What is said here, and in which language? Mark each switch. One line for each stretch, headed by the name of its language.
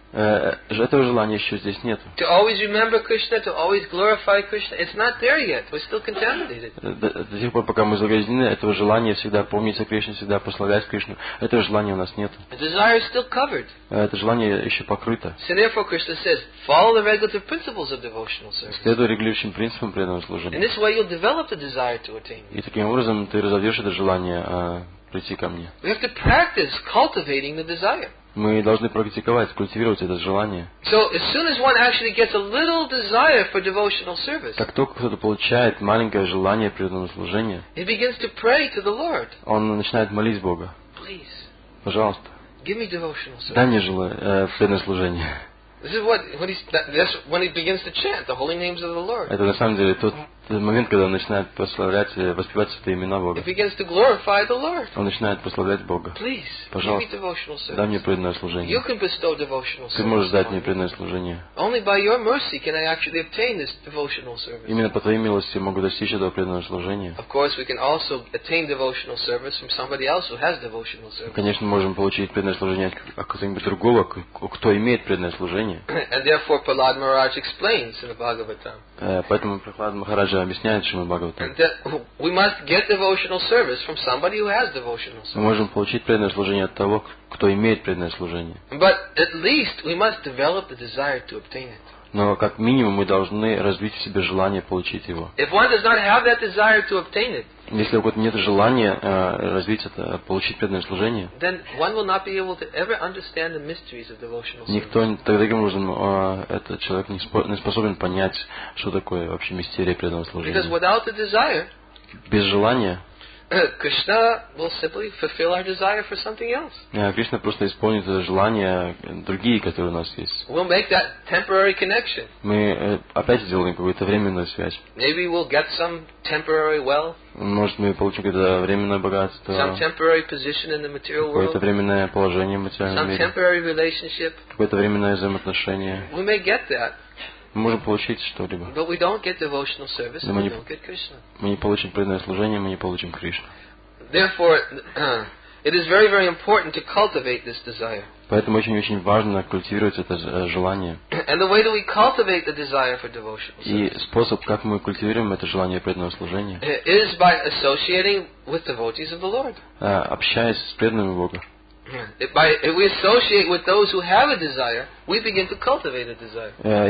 Russian: Этого желания еще здесь нет.
English: To always remember Krishna, to always glorify Krishna, it's not there yet. We're still contaminated.
Russian: До тех пор, пока мы загрязнены, этого желания всегда помнить о Кришне, всегда прославлять Кришну, этого желания у нас нет.
English: The desire is still covered.
Russian: Это желание еще покрыто.
English: So therefore, Krishna says, follow the regulative principles of devotional service.
Russian: Следуй регулирующим принципам преданного служения.
English: And this way, you'll develop the desire to attain.
Russian: И таким образом ты разовьешь это желание прийти ко мне.
English: We have to practice cultivating the desire.
Russian: Мы должны практиковать, культивировать это желание.
English: So, as soon as one actually gets a little desire for devotional service,
Russian: как только кто-то получает маленькое желание преданного служения,
English: he begins to pray to the Lord.
Russian: Он начинает молить Бога.
English: Please.
Russian: Пожалуйста.
English: Give me devotional service.
Russian: Дай мне преданное служение.
English: This is when he begins to chant the holy names of the Lord.
Russian: Это на самом деле тот этот момент, когда он начинает прославлять и воспевать святые имена Бога.
English: He begins to glorify the Lord.
Russian: Он начинает прославлять Бога.
English: Please,
Russian: пожалуйста,
English: give me devotional service.
Russian: Дай мне преданное служение.
English: You can bestow devotional service.
Russian: Ты можешь дать мне преданное служение.
English: Only by your mercy can I actually obtain this devotional service.
Russian: Именно по твоей милости я могу достичь этого преданного служения.
English: Of course, we can also attain devotional service from somebody else who has devotional service.
Russian: Мы, конечно, можем получить преданное служение от кого-нибудь другого, кто имеет преданное служение.
English: And therefore, Prahlad Maharaj explains in the Bhagavatam.
Russian: Поэтому Прахлад Махараджа объясняет Шримад Бхагаватам. Мы можем получить преданное служение от того, кто имеет преданное служение.
English: But at least we must develop the desire to obtain it.
Russian: Но как минимум мы должны развить в себе желание получить его.
English: If one does not have that desire to obtain it,
Russian: если у кого-то нет желания развить это, получить преданное служение,
English: then one will not be able to ever understand the mysteries of devotional service.
Russian: Никто, таким образом, этот человек не способен понять, что такое вообще мистерия преданного служения.
English: Because without the desire,
Russian: без желания,
English: Krishna will simply fulfill our desire for something else.
Russian: Кришна просто исполнит желания другие, которые у нас есть.
English: We'll make that temporary connection.
Russian: Мы опять сделаем какую-то временную связь.
English: Maybe we'll get some temporary wealth.
Russian: Может, мы получим какое-то временное богатство.
English: Some temporary position in the material world.
Russian: Какое-то временное положение в материальном мире.
English: Some temporary relationship.
Russian: Какое-то временное взаимоотношение.
English: We may get that.
Russian: Мы можем получить что-либо.
English: But we don't get devotional service, we don't get Krishna.
Russian: Мы не получим преданное служение, мы не получим Кришну.
English: Therefore, it is very, very important to cultivate this desire.
Russian: Поэтому очень-очень важно культивировать это желание.
English: And the way that we cultivate the desire for devotional service.
Russian: И способ, как мы культивируем это желание преданного служения,
English: is by associating with devotees of the Lord.
Russian: Общаясь с преданными Бога.
English: If we associate with those who have a desire, we begin to cultivate a desire.